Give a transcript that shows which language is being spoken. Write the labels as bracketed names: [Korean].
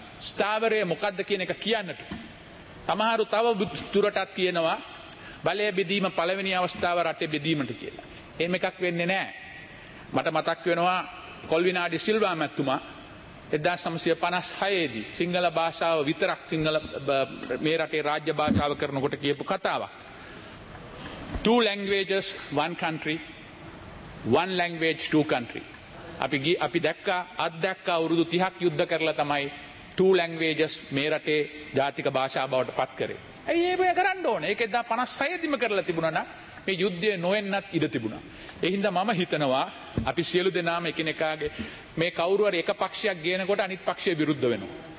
[Sinhala] ස්ථාවරය මොකක්ද කියන එක කියන්නට. සමහරු තව දුරටත් කියනවා බලය බෙදීම පළවෙනි අවස්ථාව රටේ බෙදීමට කියලා. එහෙම එකක් වෙන්නේ නැහැ. මට මතක් වෙනවා කොල්විනාඩි සිල්වා මැතිතුමා 1956 දී සිංහල භාෂාව විතරක් සිංහල මේ රටේ රාජ්‍ය භාෂාව කරනකොට කියපු කතාවක්. [English] Two languages, one country. One language, two country. [Sinhala] අපි දැක්කා අවුරුදු 30ක් යුද්ධ කරලා තමයි [English] two languages [Sinhala] මේ රටේ ජාතික භාෂාව බවට පත් කරේ. ඇයි ඒක කරන්න ඕනේ? ඒක 1956 දීම කරලා තිබුණා නම් මේ යුද්ධය නොවෙන්නත් ඉඩ තිබුණා. ඒ හින්දා මම හිතනවා අපි සියලු දෙනාම එකිනෙකාගේ මේ කවුරු හරි එක පක්ෂයක් ගේනකොට අනිත් පක්ෂය විරුද්ධ වෙනවා.